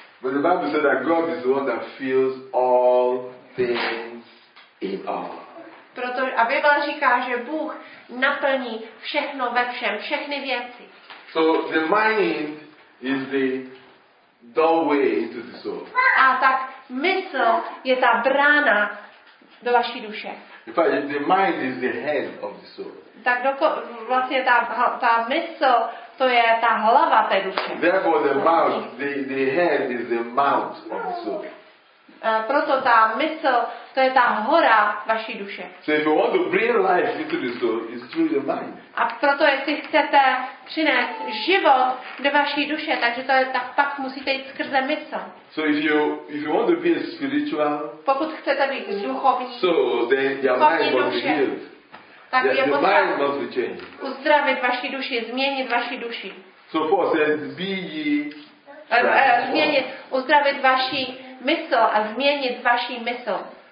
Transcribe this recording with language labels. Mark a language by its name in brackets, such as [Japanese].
[English] But the Bible says that God is the one that feels all things in all. [Czech] A Bible říká, že Bůh naplní všechno ve všem, všechny věci. [English] So the mind is the doorway into the soul. [Czech] A tak mysl je ta brána do vaší duše. [English] In fact, the mind is the head of the soul. [Czech] Tak vlastně ta mysl, to je ta hlava té duše. [English] Therefore, the mouth, the head is the mouth of the soul. [Czech] Proto ta mysl, to je ta hora vaší duše. [English] So if you want to bring life into the soul, it's through the mind. [Czech] A proto, jestli chcete přinést život do vaší duše, takže to je tak, pak musíte jít skrze mysl. [English] So if you want to be a spiritual, [Czech] pokud chcete být duchovní, [English] so then your mind must be healed. [Czech] Tak [English] your [Czech] je [English] mind must be changed. [Czech] Uzdravit vaši duši, změnit vaši duši. [English] So Paul says, be ye [Czech] Změnit, uzdravit vaši mysl a změnit vaši mysl.